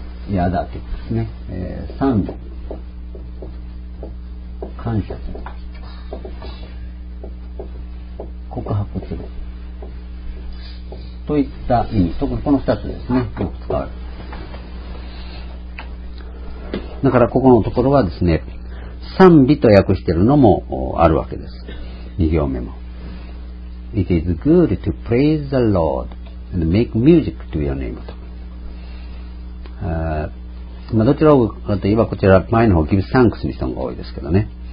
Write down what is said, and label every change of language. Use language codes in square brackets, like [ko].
[ja] ヤダって言うんですね。賛美、感謝する、告白するといった意味、特にこの2つですね、よく使われる。だからここのところはですね、賛美と訳しているのもあるわけです。 2行目も。 [en] It is good to praise the Lord and make music to your name. [ja] と。まあ、どちらかといえばこちら前の方、give thanks にした方が多いですけどね。